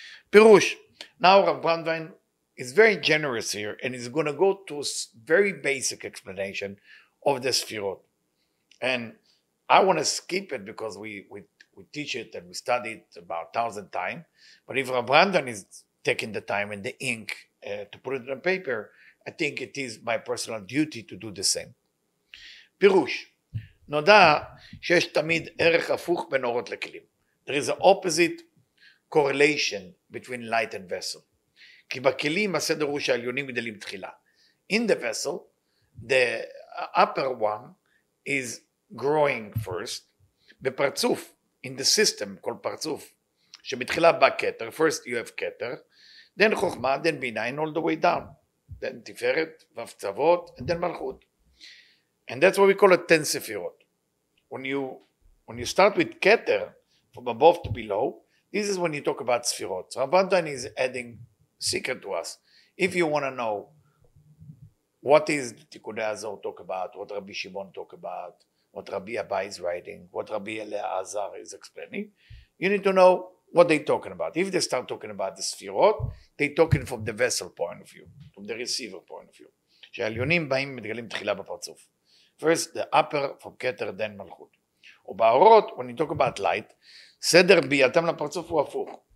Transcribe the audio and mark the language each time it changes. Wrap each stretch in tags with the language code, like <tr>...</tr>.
<en>Pirush, now Rav Brandwein is very generous here and is going to go to a very basic explanation of the Sefirot. And I want to skip it because we teach it and we study it about 1,000 times. But if Rav Brandwein is taking the time and the ink to put it on paper, I think it is my personal duty to do the same.</en> <he>Pirush, נודע שיש תמיד ערך הפוך בין אורות לכלים.</he> <en>There is an opposite correlation between light and vessel.</en> <he>כי בכלים הסדר הוא שהעליונים גדלים תחילה.</he> <en>In the vessel, the upper one is growing first. בפרצוף, in the system,</en> <he>כל פרצוף, שמתחילה בקטר,</he> <en>first you have קטר, then חוכמה, then ביניים, all the way down. Then תפארת, והפצוות, and then מלכות. And that's what we call it 10 ספירות. When you start with Keter, from above to below, this is when you talk about Sefirot. So Rav Brandwein is adding secret to us. If you want to know what is Tikkunei Zohar talk about, what Rabbi Shimon talk about, what Rabbi Abba is writing, what Rabbi Eleazar is explaining, you need to know what they're talking about. If they start talking about the Sefirot, they're talking from the vessel point of view, from the receiver point of view.</en> <he>שהעליונים באים מתגלים תחילה בפרצוף.</he> <en>First, the upper from Keter, then Malchut.</en> <he>ובאורות,</he> <en>when you talk about light,</en> <he>סדר בייתם לפרצוף הוא הפוך.</he>